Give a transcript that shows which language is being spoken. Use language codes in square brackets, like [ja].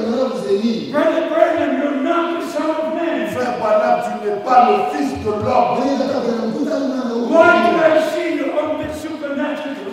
[en] Brother Branham, you're not the son of man. [fr] Frère Branham, tu n'es pas le fils de l'homme. [en] Why do I see you on the supernatural?